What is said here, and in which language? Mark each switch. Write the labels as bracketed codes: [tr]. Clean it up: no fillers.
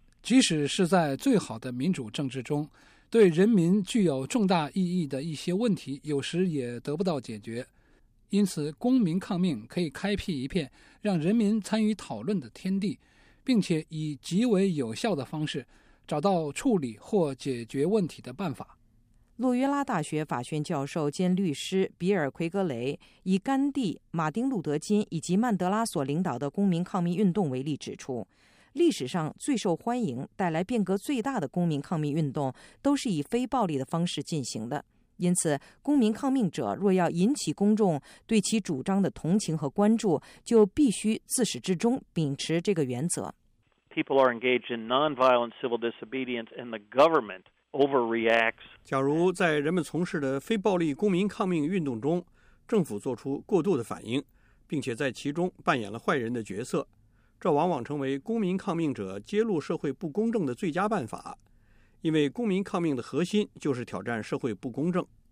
[zh] 即使是在最好的民主政治中，对人民具有重大意义的一些问题，有时也得不到解决。因此，公民抗命可以开辟一片让人民参与讨论的天地，并且以极为有效的方式找到处理或解决问题的办法。洛约拉大学法学教授兼律师比尔·奎格雷以甘地、马丁·路德·金以及曼德拉所领导的公民抗命运动为例指出，历史上最受欢迎、带来变革最大的公民抗命运动都是以非暴力的方式进行的。因此，公民抗命者若要引起公众对其主张的同情和关注，就必须自始至终秉持这个原则。 [en] People are engaged in non-violent civil disobedience, and the government overreacts. [zh] 假如在人们从事的非暴力公民抗命运动中，政府做出过度的反应，并且在其中扮演了坏人的角色，这往往成为公民抗命者揭露社会不公正的最佳办法。因为公民抗命的核心就是挑战社会不公正。